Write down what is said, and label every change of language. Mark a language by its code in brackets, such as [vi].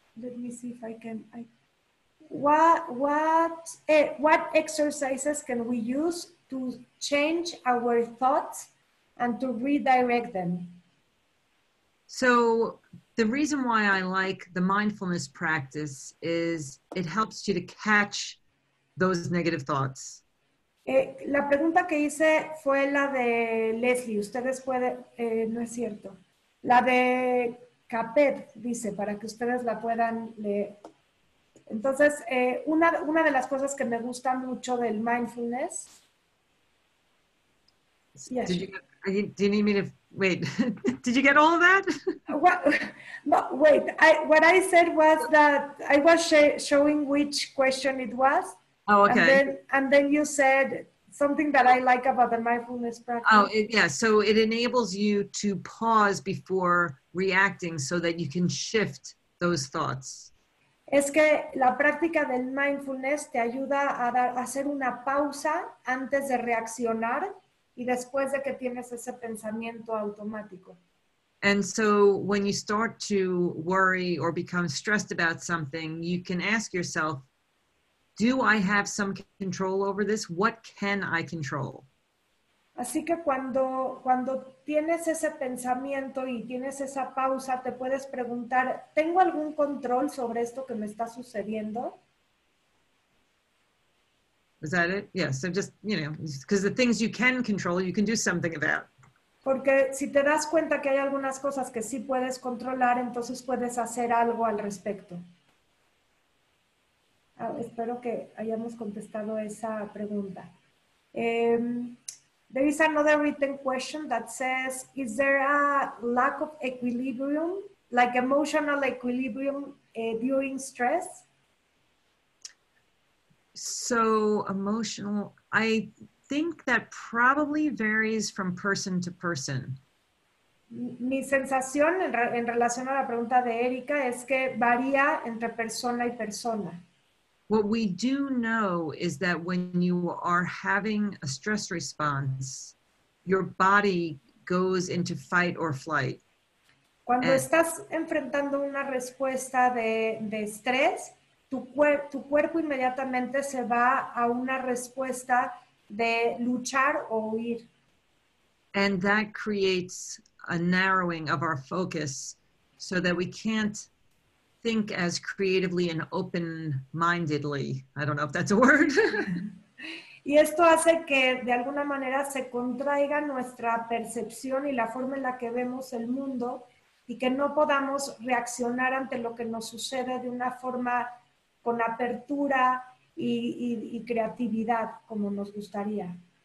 [en] Let me see if I can. What exercises can we use to change our thoughts and to redirect them? So the reason why I like the mindfulness practice is it helps you to catch those negative thoughts. [es] La pregunta que hice fue la de Leslie. Ustedes pueden, no es cierto. La de Capet, dice, para que ustedes la puedan leer. Entonces, una de las cosas que me gusta mucho del mindfulness. [en] Yes. Did you get all of that? What I said was that I was showing which question it was. Oh, okay. And then you said something that I like about the mindfulness practice. Oh, so it enables you to pause before reacting so that you can shift those thoughts. [es] es que la práctica del mindfulness te ayuda a hacer una pausa antes de reaccionar y después de que tienes ese pensamiento automático. [en] And so when you start to worry or become stressed about something, you can ask yourself, do I have some control over this? What can I control? [es] Así que cuando tienes ese pensamiento y tienes esa pausa, te puedes preguntar, ¿tengo algún control sobre esto que me está sucediendo? [en] Is that it? Yeah, so just, you know, because the things you can control, you can do something about. [es] Porque si te das cuenta que hay algunas cosas que sí puedes controlar, entonces puedes hacer algo al respecto. Espero que hayamos contestado esa pregunta. [en] There is another written question that says, is there a lack of equilibrium, like emotional equilibrium, during stress? So emotional, I think that probably varies from person to person. [es] Mi sensación en relación a la pregunta de Erika es que varía entre persona y persona. [en] What we do know is that when you are having a stress response, your body goes into fight or flight. [es] Cuando estás enfrentando una respuesta de estrés, tu cuerpo inmediatamente se va a una respuesta de luchar o huir. [en] And that creates a narrowing of our focus so that we can't think as creatively and open-mindedly. I don't know if that's a word. [es] Y esto hace que de alguna manera se contraiga nuestra percepción y la forma en la que vemos el mundo y que no podamos reaccionar ante lo que nos sucede de una forma con apertura y creatividad como nos gustaría.